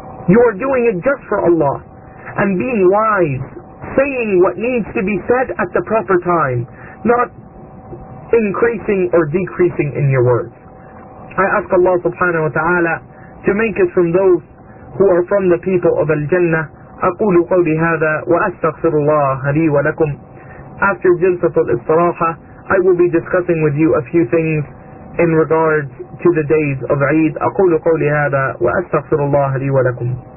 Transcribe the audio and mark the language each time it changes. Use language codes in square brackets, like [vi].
[en] You are doing it just for Allah. And being wise, saying what needs to be said at the proper time, not increasing or decreasing in your words. I ask Allah subhanahu wa ta'ala to make us from those who are from the people of Al-Jannah. [ar] أقول قولي هذا وأستغفر الله لي ولكم. [en] After جلسة الاستراحة, I will be discussing with you a few things in regards to the days of Eid. [ar] أقول قولي هذا وأستغفر الله لي ولكم.